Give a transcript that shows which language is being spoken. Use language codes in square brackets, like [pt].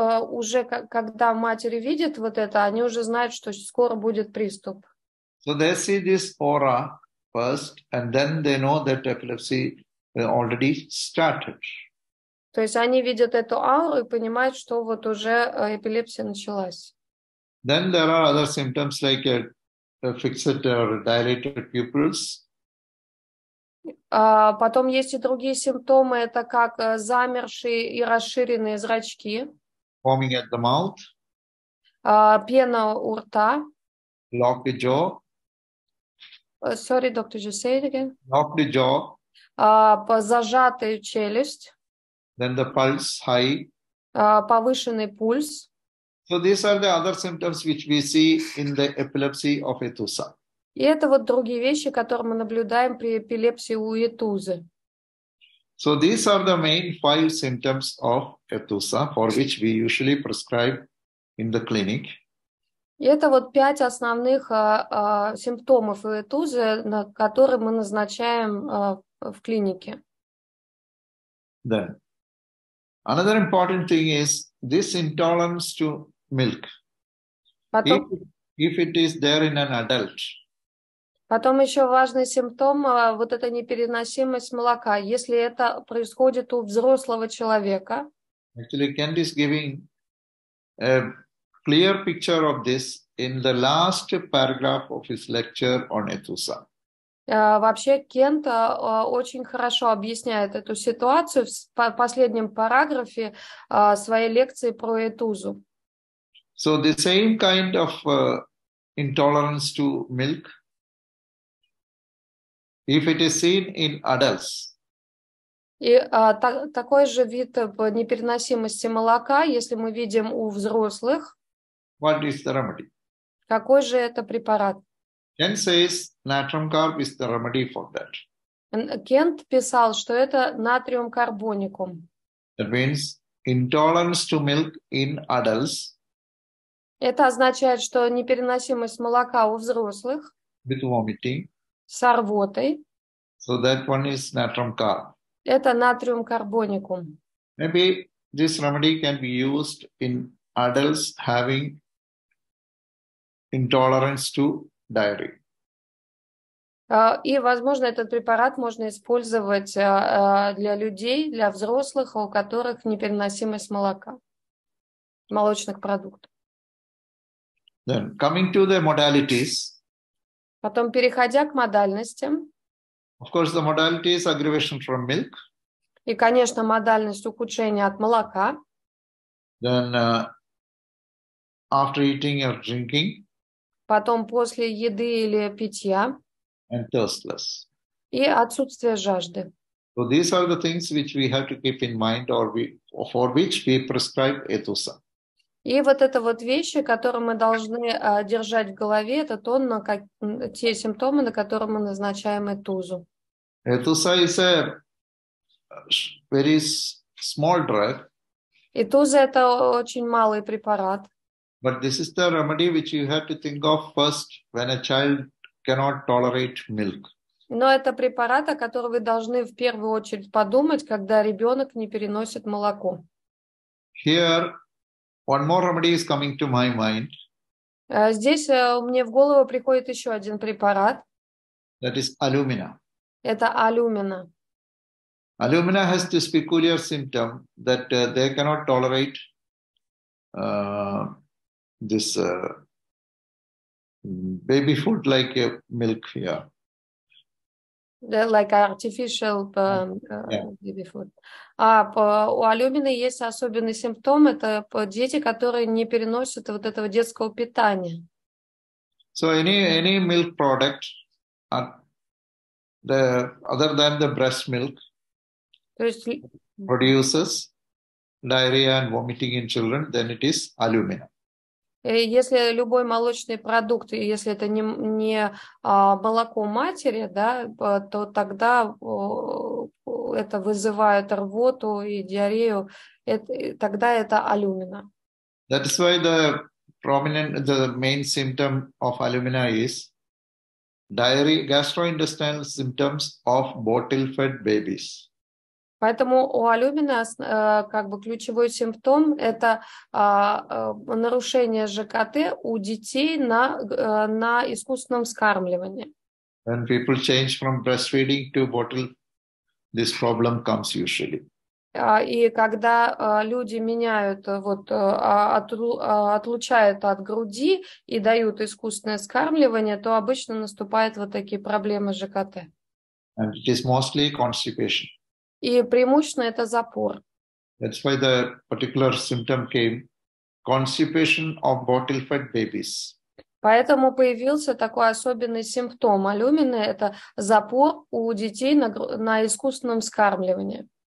[ru] Уже когда матери видят вот это, они уже знают, что скоро будет приступ. [en] So they see this aura first, and then they know that epilepsy already started. [ru] То есть они видят эту ауру и понимают, что вот уже эпилепсия началась. [en] Then there are other symptoms like fixed or dilated pupils. [ru] Потом есть и другие симптомы, это как замершие и расширенные зрачки. [en] Forming at the mouth. [ru] Пена у рта. [en] Locked jaw. Sorry, doctor, just say it again. Locked jaw. [ru] Зажатая челюсть. [en] Then the pulse high. [ru] Повышенный пульс. [en] So these are the other symptoms which we see in the epilepsy of ETUSA. [ru] И это вот другие вещи, которые мы наблюдаем при эпилепсии у ETUSA. [en] So these are the main five symptoms of ETUSA, for which we usually prescribe in the clinic. [ru] И это вот пять основных симптомов ETUSA, на которые мы назначаем в клинике. [en] Then, another important thing is this intolerance to milk. [ru] Потом... [en] If it is there in an adult. [ru] Потом еще важный симптом – вот эта непереносимость молока. Если это происходит у взрослого человека. [en] Actually, Kent is giving a clear picture of this in the last paragraph of his lecture on ETUSA. [ru] Вообще, Кент очень хорошо объясняет эту ситуацию в последнем параграфе своей лекции про ETUSA. [en] So the same kind of intolerance to milk. If it is seen in adults. [ru] И такой же вид непереносимости молока, если мы видим у взрослых. [en] What is the remedy? [ru] Какой же это препарат? [en] Kent says natrium carb is the remedy for that. [ru] Кент писал, что это натриум карбоникум. [en] That means intolerance to milk in adults. [ru] Это означает, что непереносимость молока у взрослых. [en] With vomiting. [ru] С рвотой. [en] So that one is natrium carb. [ru] Это натриум карбоникум. [en] Maybe this remedy can be used in adults having intolerance to dairy. [ru] И, возможно, этот препарат можно использовать для людей, для взрослых, у которых непереносимость молока, молочных продуктов. [en] Then, coming to the modalities. [ru] Потом, переходя к модальностям. [en] Of course, the modality is aggravation from milk. [ru] И, конечно, модальность ухудшения от молока. [en] Then, after eating or drinking. [ru] Потом, после еды или питья. [en] And thirstless. [ru] И отсутствие жажды. [en] So these are the things which we have to keep in mind or for which we prescribe ETUSA. [ru] И вот это вот вещи, которые мы должны держать в голове, это то, на как, те симптомы, на которые мы назначаем ETUSA. [en] ETUSA is a very small drug. [ru] ETUSA – это очень малый препарат. [en] But this is the remedy which you have to think of first when a child cannot tolerate milk. [ru] Но это препарат, о котором вы должны в первую очередь подумать, когда ребенок не переносит молоко. [en] Here, one more remedy is coming to my mind. [ru] Здесь мне в голову приходит еще один препарат. [en] That is alumina. [ru] Это алюмина. [en] Alumina has this peculiar symptom that they cannot tolerate this baby food like milk here. Yeah. Like artificial baby food. [ru] У алюмина есть особенный симптом. Это дети, которые не переносят вот этого детского питания. [en] So any milk product other than the breast milk produces diarrhea and vomiting in children, then it is alumina. [ru] Если любой молочный продукт, если это не молоко матери, да, то тогда это вызывает рвоту и диарею, тогда это алюмина. [en] That is why the main symptom of alumina is diarrhea, gastrointestinal symptoms of bottle-fed babies. [ru] Поэтому у алюмина как бы ключевой симптом – это нарушение ЖКТ у детей на искусственном вскармливании. [en] When people change from breastfeeding to bottle, this problem comes usually. [ru] И когда люди меняют, вот, отлучают от груди и дают искусственное вскармливание, то обычно наступают вот такие проблемы ЖКТ. [en] And it is mostly constipation. [ru] И преимущественно это запор. [en] That's why the particular symptom came, constipation of bottle-fed babies. [ru] Поэтому появился такой особенный симптом алюмина, это запор у детей на искусственном вскармливании.